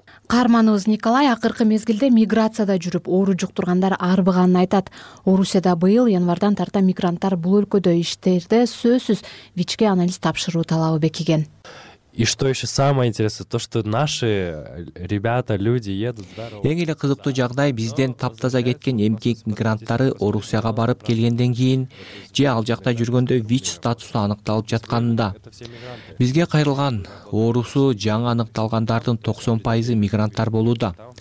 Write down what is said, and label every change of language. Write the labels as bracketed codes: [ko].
[ky] Карманыбыз Николай акыркы мезгилде миграцияда жүрүп оору жуктургандар арбыганын айтат. Орусияда быйыл январдан тарта мигранттар бул өлкөдө иштерде сөзсүз ВИЧке анализ тапшыруу талабы бекиген. [ru] И что еще самое интересное, то что наши ребята, люди едут. [ky] Эң эле кызыктуу жагдай бизден таптаза кеткен эмгек мигранттары Орусияга барып келгенден кийин же ал жакта жүргөндө ВИЧ статусу аныкталып жатканында. Бизге кайрылган оорусу жаңы аныкталгандардын 90% мигранттар болууда.